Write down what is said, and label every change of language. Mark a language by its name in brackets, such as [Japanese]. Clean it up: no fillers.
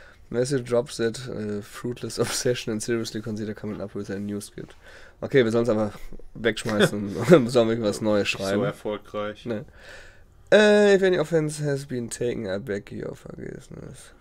[English] Message drops that fruitless obsession and seriously consider coming up with a new script. [German] Okay, wir sollen es einfach wegschmeißen und sollen wir was Neues schreiben. So erfolgreich. Nee. [English] If any offense has been taken, I beg your forgiveness.